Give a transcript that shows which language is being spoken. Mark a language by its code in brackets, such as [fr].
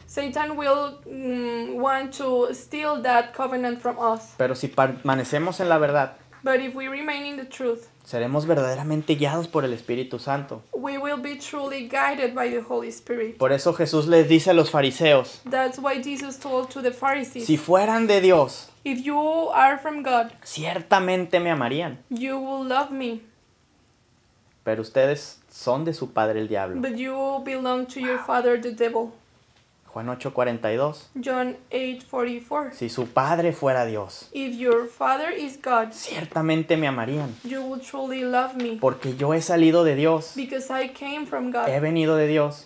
[en] Satan will want to steal that covenant from us. [es] Pero si permanecemos en la verdad. [en] But if we remain in the truth. [es] Seremos verdaderamente guiados por el Espíritu Santo. [en] We will be truly guided by the Holy Spirit. [es] Por eso Jesús les dice a los fariseos. [en] That's why Jesus told to the Pharisees. [es] Si fueran de Dios. [en] If you are from God. [es] Ciertamente me amarían. [en] You will love me. [es] Pero ustedes son de su padre el diablo. [en] But you belong to your father the devil. [es] Juan 8:42. [en] John 8:44. [es] Si su padre fuera Dios. [en] If your father is God. [es] Ciertamente me amarían. [en] You will truly love me. [es] Porque yo he salido de Dios. [en] Because I came from God. [es] He venido de Dios.